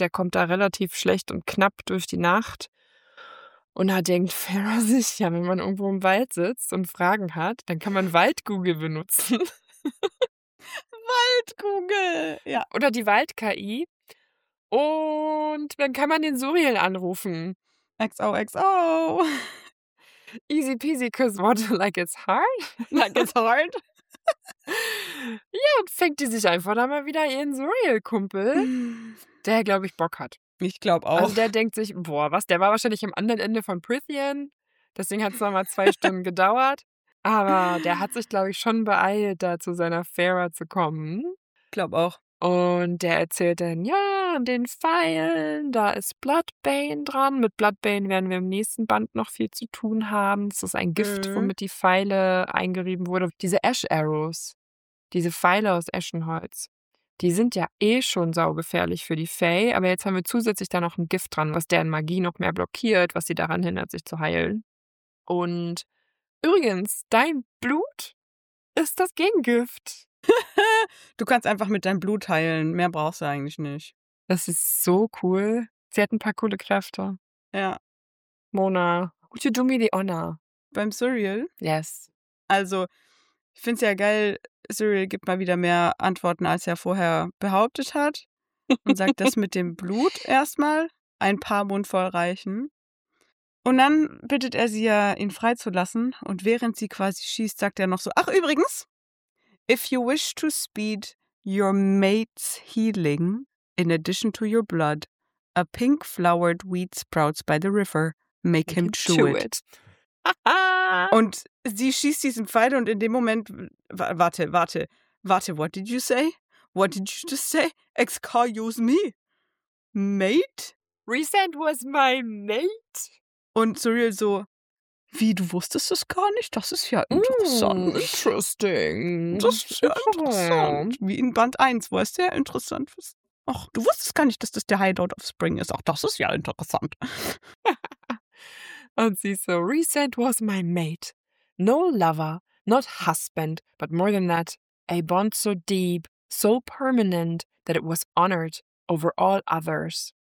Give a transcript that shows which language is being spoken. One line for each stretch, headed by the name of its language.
German: Der kommt da relativ schlecht und knapp durch die Nacht. Und da denkt Farah sich, ja, wenn man irgendwo im Wald sitzt und Fragen hat, dann kann man Wald-Google benutzen. Wald-Google! Ja, oder die Wald-KI. Und dann kann man den Suriel anrufen. XOXO!
English: Easy peasy, cause water like it's hard.
German: Ja, und fängt die sich einfach da mal wieder ihren Suriel-Kumpel, der, glaube ich, Bock hat. Ich glaube auch. Also der denkt sich, boah, was, der war wahrscheinlich am anderen Ende von Prithian. Deswegen hat es nochmal zwei Stunden gedauert. Aber der hat sich, glaube ich, schon beeilt, da zu seiner Fera zu kommen. Glaub auch. Und der erzählt dann, ja, an den Pfeilen, da ist Bloodbane dran. Mit Bloodbane werden wir im nächsten Band noch viel zu tun haben. Das ist ein Gift, womit die Pfeile eingerieben wurde. Diese Ash Arrows, diese Pfeile aus Eschenholz, die sind ja eh schon saugefährlich für die Fae. Aber jetzt haben wir zusätzlich da noch ein Gift dran, was deren Magie noch mehr blockiert, was sie daran hindert, sich zu heilen. Und übrigens, dein Blut ist das Gegengift. Du kannst einfach mit deinem Blut heilen. Mehr brauchst du eigentlich nicht. Das ist so cool. Sie hat ein paar coole Kräfte. Ja.
English: Mona, would you do me the honor?
German: Beim Cyril?
English: Yes.
German: Also, ich finde es ja geil, Cyril gibt mal wieder mehr Antworten, als er vorher behauptet hat. Und sagt, das mit dem Blut erstmal ein paar Mundvoll reichen. Und dann bittet er sie ja, ihn freizulassen. Und während sie quasi schießt, sagt er noch so, ach übrigens,
English: if you wish to speed your mate's healing, in addition to your blood, a pink-flowered weed sprouts by the river, make him chew it.
German: Und sie schießt diesen Pfeil und in dem Moment, warte,
English: what did you say? What did you just say? Excuse me? Mate? Recent was my mate?
German: Und Cyril so, wie, du wusstest es gar nicht? Das ist ja interessant. Mm,
English: interesting.
German: Das ist ja interessant. Wie in Band 1, wo es sehr interessant ist. Ach, du wusstest gar nicht, dass das der Hideout of Spring ist. Ach, das ist ja interessant. Und sie so,
English: recent was my mate. No lover, not husband, but more than that, a bond so deep, so permanent, that it was honored over all others.